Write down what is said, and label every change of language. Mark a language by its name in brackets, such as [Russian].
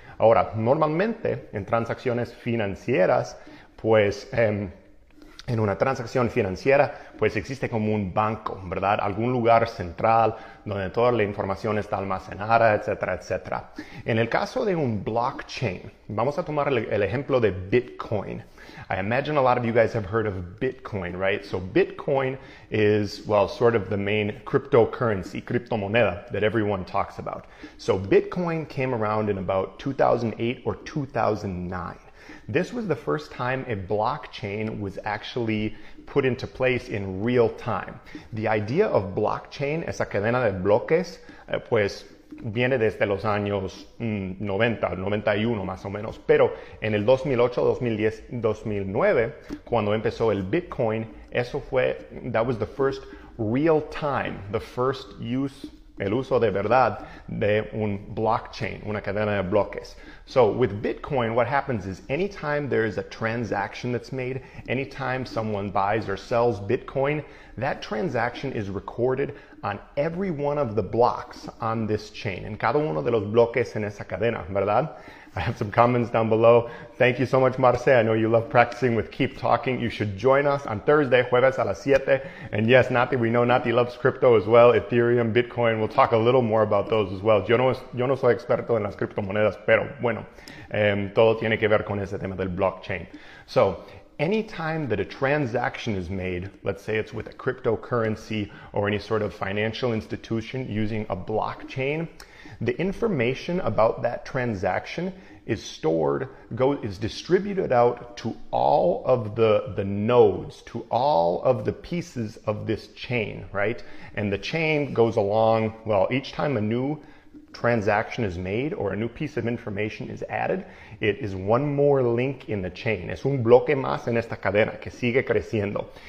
[Spanish] Ahora, normalmente en transacciones financieras, pues en una transacción financiera, pues existe como un banco, ¿verdad? Algún lugar central donde toda la información está almacenada, etcétera, etcétera. En el caso de un blockchain, vamos a tomar el ejemplo de Bitcoin. [English] I imagine a lot of you guys have heard of Bitcoin, right? So Bitcoin is, well, sort of the main cryptocurrency, criptomoneda, that everyone talks about. So Bitcoin came around in about 2008 or 2009. This was the first time a blockchain was actually put into place in real time. The idea of blockchain, [Spanish] esa cadena de bloques, pues viene desde los años 90, 91 más o menos. Pero en el 2008, 2010, 2009, cuando empezó el Bitcoin, eso fue, [English] that was the first real time, the first use, [Spanish] el uso de verdad de un blockchain, una cadena de bloques. [English] So with Bitcoin, what happens is anytime there is a transaction that's made, anytime someone buys or sells Bitcoin, that transaction is recorded on every one of the blocks on this chain. [Spanish] En cada uno de los bloques en esa cadena, ¿verdad? [English] I have some comments down below. Thank you so much, Marce. I know you love practicing with Keep Talking. You should join us on Thursday, [Spanish] jueves a las 7. [English] And yes, Nati, we know Nati loves crypto as well, Ethereum, Bitcoin. We'll talk a little more about those as well. [Spanish] Yo no soy experto en las criptomonedas, pero bueno, todo tiene que ver con ese tema del blockchain. So [English] anytime that a transaction is made, let's say it's with a cryptocurrency or any sort of financial institution using a blockchain, the information about that transaction is stored, is distributed out to all of the nodes, to all of the pieces of this chain, right? And the chain goes along, well, each time a new transaction is made or a new piece of information is added, it is one more link in the chain. [Spanish] Es un bloque más en esta cadena que sigue creciendo.